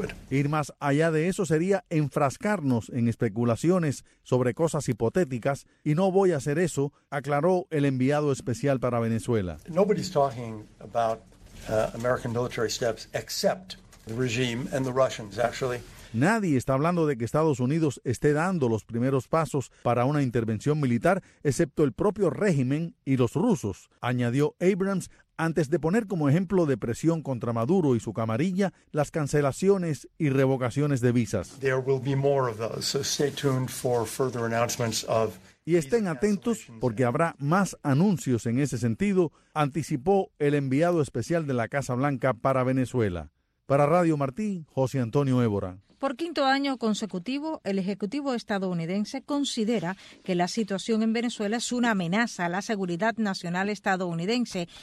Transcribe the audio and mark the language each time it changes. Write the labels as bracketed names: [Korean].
[Spanish] Ir más allá de eso sería enfrascarnos en especulaciones sobre cosas hipotéticas, y no voy a hacer eso, aclaró el enviado especial para Venezuela. [English] Nobody's talking about American military steps except the regime and the Russians, actually. [Spanish] Nadie está hablando de que Estados Unidos esté dando los primeros pasos para una intervención militar, excepto el propio régimen y los rusos, añadió Abrams antes de poner como ejemplo de presión contra Maduro y su camarilla las cancelaciones y revocaciones de visas. [English] There will be more of those, so stay tuned for further announcements of. [Spanish] Y estén atentos porque habrá más anuncios en ese sentido, anticipó el enviado especial de la Casa Blanca para Venezuela. Para Radio Martí, José Antonio Évora. Por quinto año consecutivo, el Ejecutivo estadounidense considera que la situación en Venezuela es una amenaza a la seguridad nacional estadounidense.